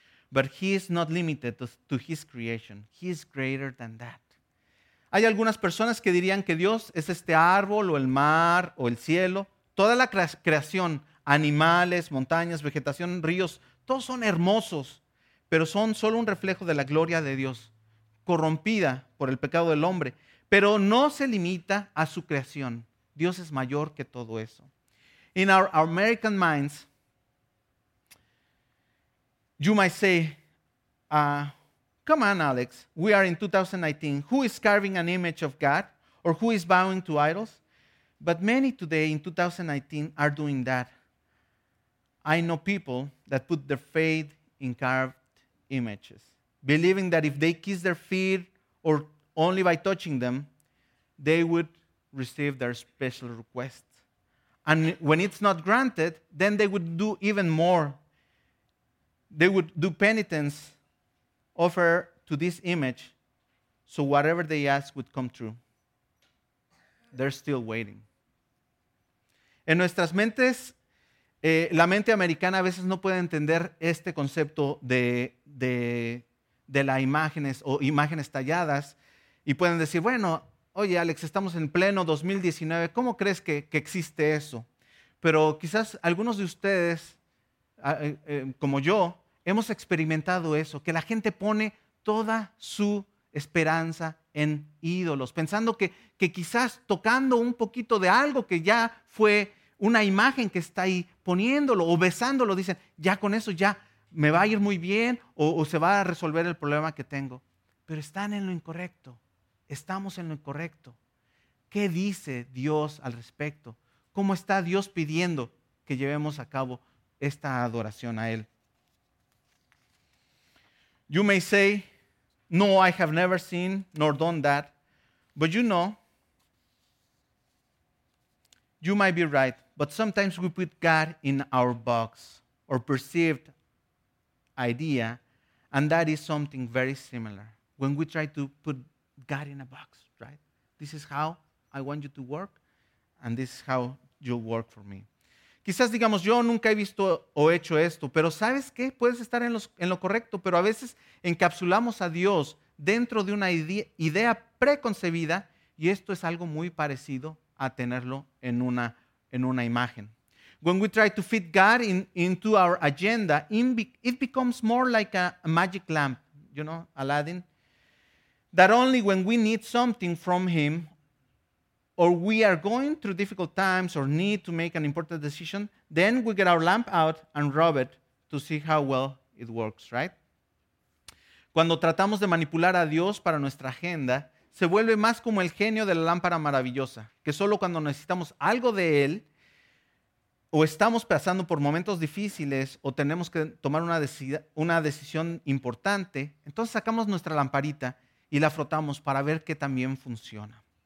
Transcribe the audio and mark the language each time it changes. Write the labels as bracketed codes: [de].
[en] But he is not limited to his creation. He is greater than that. [es] Hay algunas personas que dirían que Dios es este árbol o el mar o el cielo. Toda la creación, animales, montañas, vegetación, ríos, todos son hermosos, pero son solo un reflejo de la gloria de Dios, corrompida por el pecado del hombre. Pero no se limita a su creación. Dios es mayor que todo eso. [en] In our American minds, you might say, come on, Alex, we are in 2019. Who is carving an image of God? Or who is bowing to idols? But many today in 2019 are doing that. I know people that put their faith in carved images, believing that if they kiss their feet or only by touching them, they would receive their special request. And when it's not granted, then they would do even more. They would do penitence, offer to this image, so whatever they ask would come true. They're still waiting. [es] En nuestras mentes, la mente americana a veces no puede entender este concepto de las imágenes o imágenes talladas y pueden decir, bueno, oye, Alex, estamos en pleno 2019, ¿cómo crees que existe eso? Pero quizás algunos de ustedes, como yo, hemos experimentado eso, que la gente pone toda su esperanza en ídolos, pensando que quizás tocando un poquito de algo que ya fue una imagen que está ahí poniéndolo o besándolo, dicen, ya con eso ya me va a ir muy bien o se va a resolver el problema que tengo. Pero están en lo incorrecto. Estamos en lo incorrecto. ¿Qué dice Dios al respecto? ¿Cómo está Dios pidiendo que llevemos a cabo esta adoración a Él? [en] You may say, no, I have never seen nor done that. But you know, you might be right, but sometimes we put God in our box or perceived idea, and that is something very similar. When we try to put God in a box, right? This is how I want you to work, and this is how you'll work for me. [es] Quizás digamos, yo nunca he visto o hecho esto, pero ¿sabes qué? Puedes estar en lo correcto, pero a veces encapsulamos a Dios dentro de una idea preconcebida, y esto es algo muy parecido a tenerlo en una imagen. [en] When we try to fit God into our agenda, it becomes more like a magic lamp, you know, Aladdin, that only when we need something from him or we are going through difficult times or need to make an important decision, then we get our lamp out and rub it to see how well it works, right? [es] Cuando tratamos de manipular a Dios para nuestra agenda, se vuelve más como el genio de la lámpara maravillosa, que solo cuando necesitamos algo de él o estamos pasando por momentos difíciles o tenemos que tomar una decisión importante, entonces sacamos nuestra lamparita y la frotamos para ver que también funciona.